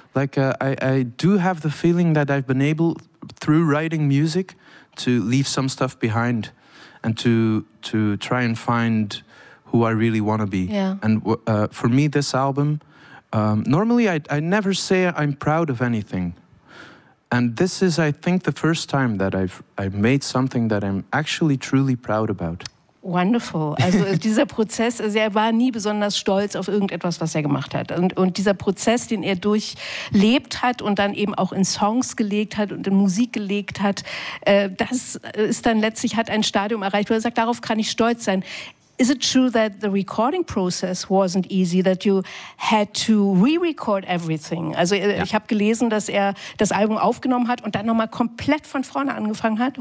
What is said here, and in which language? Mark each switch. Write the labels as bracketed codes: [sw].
[en] Like I do have the feeling that I've been able, through writing music, to leave some stuff behind, and to try and find who I really want to be. Yeah. And for me, this album. Normally, I never say I'm proud of anything. And this is, I think, the first time that I've made something that I'm actually truly proud about. Wonderful. [de] Also dieser Prozess, also er war nie besonders stolz auf irgendetwas, was er gemacht hat. Und dieser Prozess, den er durchlebt hat und dann eben auch in Songs gelegt hat und in Musik gelegt hat, das ist dann letztlich, hat ein Stadium erreicht, wo er sagt, darauf kann ich stolz sein. [en] Is it true that the recording process wasn't easy, that you had to re-record everything? [de] Also ja. Ich habe gelesen, dass er das Album aufgenommen hat und dann nochmal komplett von vorne angefangen hat.